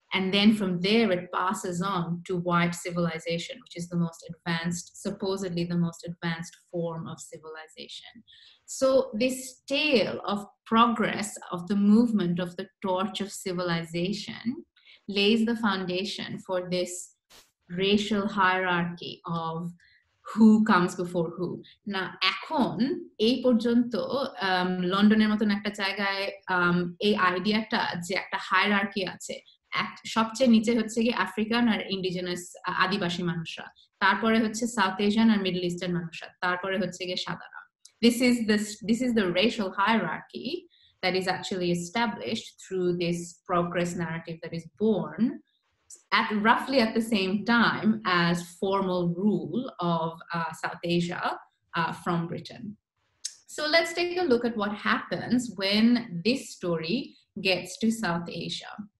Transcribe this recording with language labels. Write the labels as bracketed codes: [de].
[en] And then from there, it passes on to white civilization, which is the most advanced, supposedly the most advanced form of civilization. So this tale of progress, of the movement of the torch of civilization, lays the foundation for this racial hierarchy of who comes before who. [bn] Now, এখন এই পর্যন্ত লন্ডনের মতন একটা জায়গায় এই আইডিয়াটা যে একটা হায়ারার্কি আছে, সবচেয়ে নিচে হচ্ছে কি আফ্রিকান আর ইন্ডিজিনাস আদিবাসী মানুষরা, তারপরে হচ্ছে সাউথ এশিয়ান আর মিডল ইস্টার্ন মানুষরা, তারপরে হচ্ছে কি সাধারণ. [en] This is the racial hierarchy that is actually established through this progress narrative that is born at roughly at the same time as formal rule of South Asia from Britain. So let's take a look at what happens when this story gets to South Asia.